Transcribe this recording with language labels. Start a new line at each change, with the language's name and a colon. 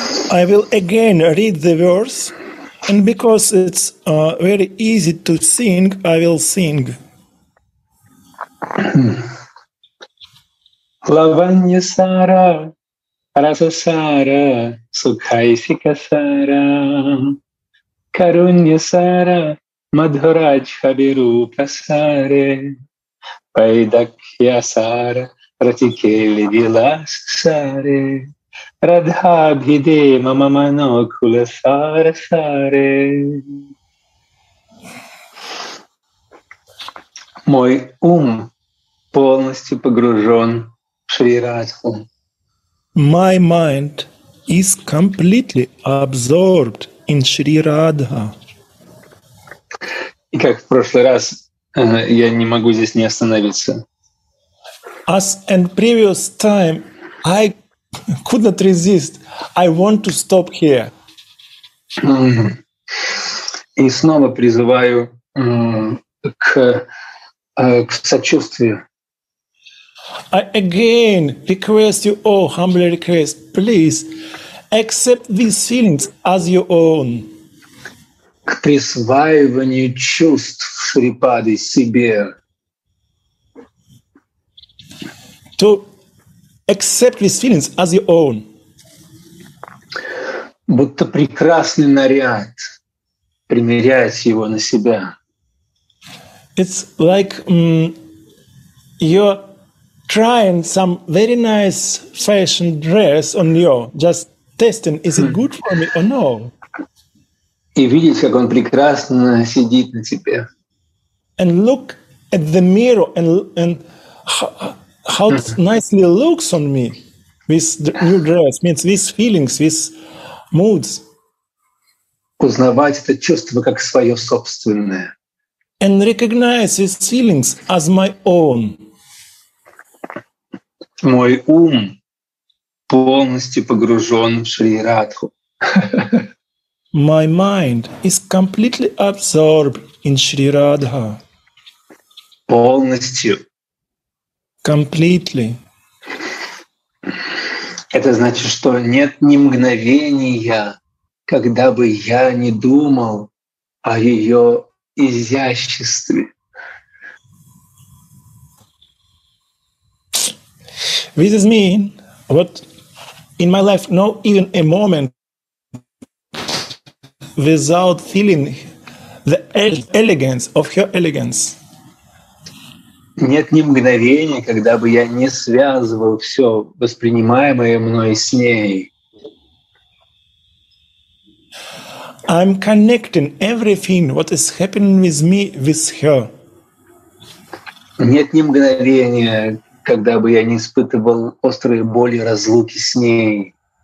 English: I will again read the verse, and because it's very easy to sing, I will sing.
Sanskrit: Лаванья-сара, раса-сара, сукхайсика-сара, Карунья-сара, мадхурадж-хабирупа-саре, Пайдакья-сара, ратикели-вилас-саре, Радхабхиде-мамаманокхула-сара-саре.
Russian: Мой ум полностью погружен в Шри Радху.
English: My mind is completely absorbed in Shri Radha.
Russian: И как в прошлый раз, я не могу здесь не остановиться.
English: As in previous time, I could not resist. I want to stop here.
Russian: И снова призываю к сочувствию.
English: I again request you, oh, humbly request, please accept these feelings as your own.
Russian: К присваиванию чувств Шрипады себе.
English: To accept these feelings as your own.
Russian: Будто прекрасный наряд, примерять его на себя.
English: It's like your trying some very nice fashion dress on you, just testing, is it good for me or no?
Russian: И видеть, как он прекрасно сидит на тебе.
English: And look at the mirror and how it nicely looks on me, this new dress, means these feelings, these moods.
Russian: Узнавать это чувство как свое собственное.
English: And recognize these feelings as my own.
Russian: Мой ум полностью погружен в Шри Радху.
English: My mind is completely absorbed in Шри Радха.
Russian: Полностью.
English: Completely.
Russian: Это значит, что нет ни мгновения, когда бы я не думал о ее изяществе.
English: This is mean what in my life no even a moment without feeling the elegance of her elegance.
Russian: Нет ни мгновения, когда бы я не связывал все воспринимаемое мной с ней.
English: I'm connecting everything what is happening with me with her.
Russian: Нет ни мгновения, когда бы я не испытывал острые боли разлуки с ней.